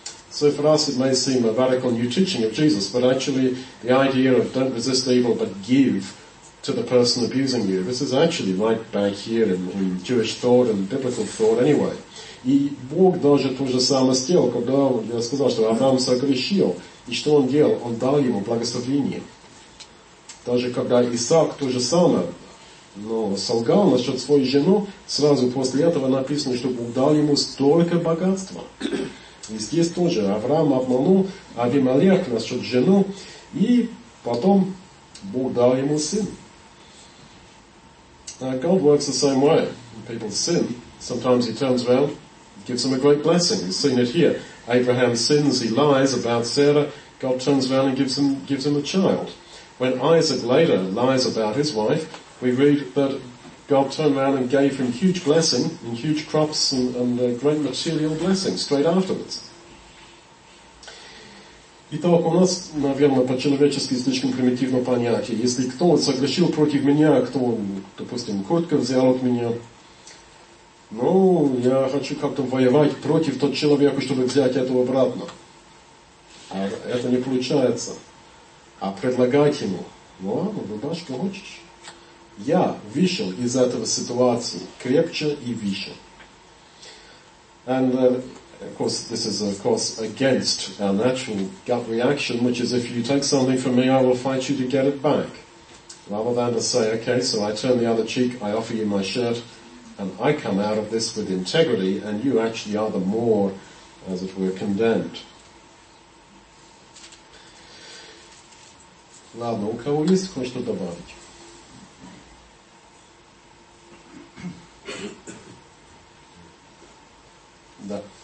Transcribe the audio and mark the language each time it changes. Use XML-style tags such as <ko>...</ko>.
<en>So for us it may seem a radical new teaching of Jesus, but actually the idea of don't resist evil but give to the person abusing you, this is actually right back here in Jewish thought and biblical thought anyway.</en> <ru>И Бог даже то же самое сделал, когда я сказал, что Авраам согрешил. И что он делал? Он дал ему благословение. Даже когда Исаак то же самое, но солгал насчет своей жены, сразу после этого написано, что Бог дал ему столько богатства. И здесь тоже Авраам обманул Авимелех насчет жены, и потом Бог дал ему сын.</ru> <en>God works the same way. People sin. Sometimes he turns around, gives him a great blessing. We've seen it here. Abraham sins, he lies about Sarah, God turns around and gives him a child. When Isaac later lies about his wife, we read that God turned around and gave him huge blessing and huge crops and great material blessing straight afterwards.</en> <ru>Итак, у нас, наверное, по-человечески слишком примитивно понятие. Если кто согрешил против меня, кто, допустим, котка взял от меня, ну, я хочу как-то воевать против тот человека, чтобы взять это обратно. А это не получается. А предлагать ему, ну ладно, рубашка хочешь. Я вышел из этого ситуации крепче и выше.</ru> <en>Of course, this is, of course, against our natural gut reaction, which is, if you take something from me, I will fight you to get it back. Rather than to say, okay, so I turn the other cheek, I offer you my shirt, and I come out of this with integrity, and you actually are the more, as it were, condemned.</en> <ru>Ладно, у кого есть кое-что добавить? Да.</ru>